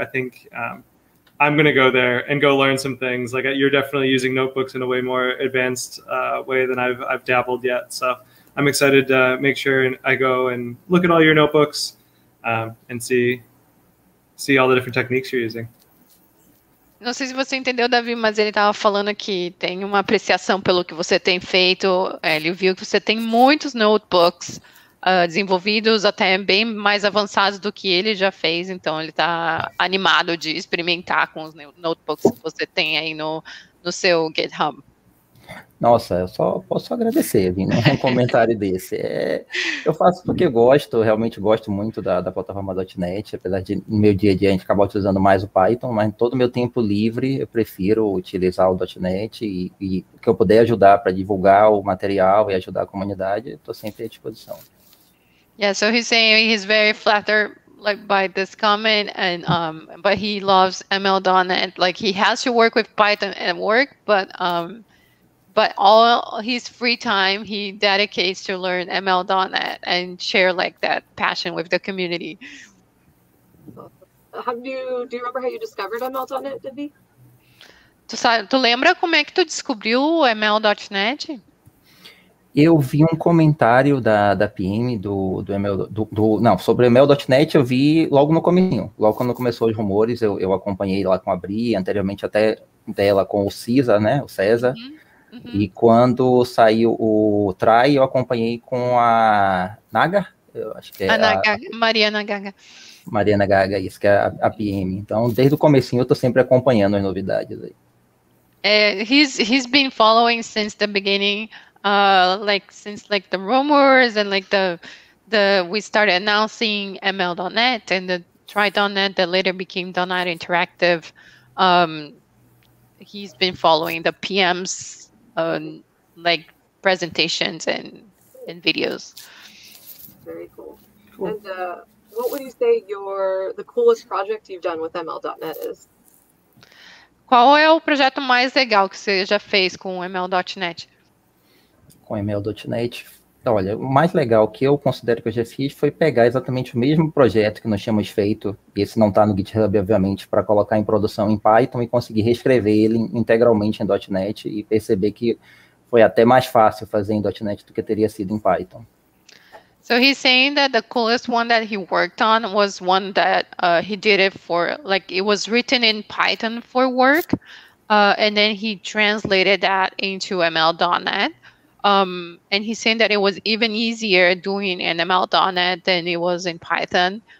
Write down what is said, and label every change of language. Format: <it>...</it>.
<en>I think I'm gonna go there and go learn some things. Like, you're definitely using notebooks in a way more advanced way than I've dabbled yet. So I'm excited to make sure I go and look at all your notebooks and see all the different techniques you're using.</en> <pt>Não sei se você entendeu, Davi, mas ele estava falando que tem uma apreciação pelo que você tem feito. Ele viu que você tem muitos notebooks desenvolvidos, até bem mais avançados do que ele já fez. Então, ele está animado de experimentar com os notebooks que você tem aí no seu GitHub. Nossa, eu só posso agradecer, Vini, um comentário desse. Eu faço porque gosto, realmente gosto muito da plataforma .NET, apesar de no meu dia a dia a gente acabar utilizando mais o Python, mas em todo o meu tempo livre eu prefiro utilizar o .NET e o que eu puder ajudar para divulgar o material e ajudar a comunidade, estou sempre à disposição.</pt> <en>Yeah, so he's saying he's very flattered like by this comment, and but he loves ML.NET. Like, he has to work with Python at work, but all his free time he dedicates to learn ML.NET and share like that passion with the community. Do you remember how you discovered ML.NET, Davi?</en> <pt>Tu lembra como é que tu descobriu o ML.NET? Eu vi um comentário da PM do ML, do não, sobre o ML.NET, eu vi logo no comecinho. Logo quando começou os rumores, eu acompanhei lá com a Bri, anteriormente até dela com o CISA, né, o César. Uhum. Uhum. E quando saiu o Try, eu acompanhei com a Naga, eu acho que é Mariana Gaga. Mariana Gaga, isso que é a PM. Então, desde o comecinho, eu estou sempre acompanhando as novidades aí.</pt> <en>He's been following since the beginning, since the rumors and like the we started announcing ML.NET and the Triton.NET that later became .NET Interactive. He's been following the PM's like presentations and videos. Very cool. And what would you say the coolest project you've done with ML.NET is?</en> <pt>Qual é o projeto mais legal que você já fez com o ML.NET? Com ML.NET? Olha, o mais legal que eu considero que eu já fiz foi pegar exatamente o mesmo projeto que nós tínhamos feito, e esse não está no GitHub, obviamente, para colocar em produção em Python e conseguir reescrever ele integralmente em .NET e perceber que foi até mais fácil fazer em .NET do que teria sido em Python.</pt> <en>So he's saying that the coolest one that he worked on was one that he did it for, like it was written in Python for work, and then he translated that into ML.NET. And he's saying that it was even easier doing in ML.NET than it was in Python.</en>